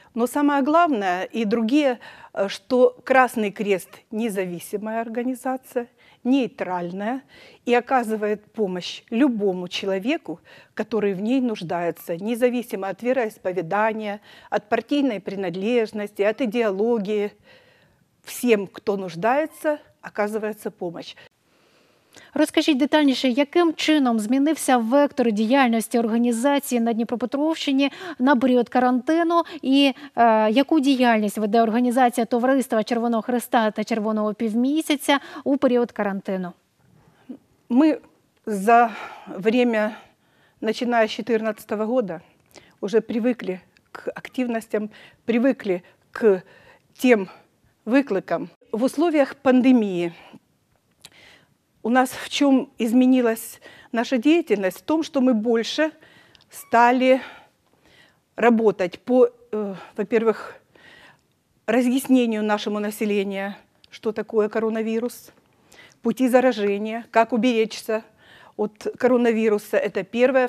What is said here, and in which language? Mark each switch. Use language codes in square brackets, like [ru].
[ru] Но самое главное и другие, что Красный Крест – независимая организация, нейтральная и оказывает помощь любому человеку, который в ней нуждается, независимо от вероисповедания, от партийной принадлежности, от идеологии. Всем, кто нуждается, оказывается помощь. [uk] Розкажіть детальніше, яким чином змінився вектор діяльності організації на Дніпропетровщині на період карантину і яку діяльність веде організація Товариства Червоного Хреста та Червоного Півмісяця у період карантину? [ru] Ми за время, начиная с 14-го года, уже привыкли к активностям, привыкли к тем выкликам. В условиях пандемии у нас в чем изменилась наша деятельность? В том, что мы больше стали работать по, во-первых, разъяснению нашему населению, что такое коронавирус, пути заражения, как уберечься от коронавируса. Это первое.